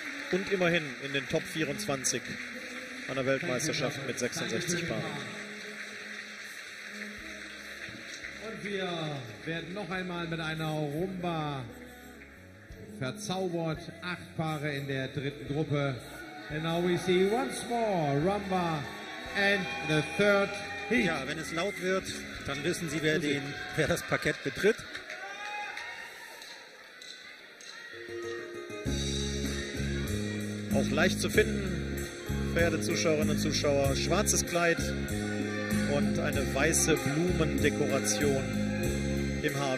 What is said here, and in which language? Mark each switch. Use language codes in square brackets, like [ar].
[de] Und immerhin in den Top 24 einer Weltmeisterschaft mit 66 Paaren. Wir werden noch einmal mit einer Rumba verzaubert. 8 Paare in der dritten Gruppe. [en] And now we see once more Rumba and the third heat. [de] Ja, wenn es laut wird, dann wissen Sie, wer das Parkett betritt. Auch leicht zu finden, verehrte Zuschauerinnen und Zuschauer. Schwarzes Kleid und eine weiße Blumendekoration im Haar.